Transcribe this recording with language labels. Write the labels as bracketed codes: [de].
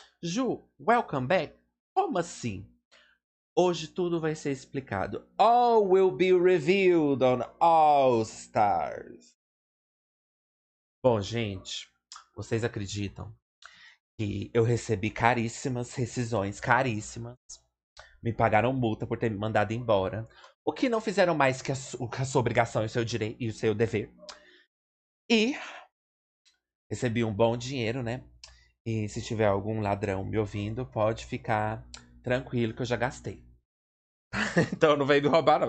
[pt] Ju, [en] welcome back? [pt] Como assim? Hoje tudo vai ser explicado. [en] All will be revealed on All Stars. [pt] Bom, gente, vocês acreditam que eu recebi caríssimas rescisões, caríssimas. Me pagaram multa por ter me mandado embora. O que não fizeram mais que a sua obrigação e o seu direito e o seu dever. E recebi um bom dinheiro, né? E se tiver algum ladrão me ouvindo, pode ficar tranquilo que eu já gastei. Então não veio me roubar, não.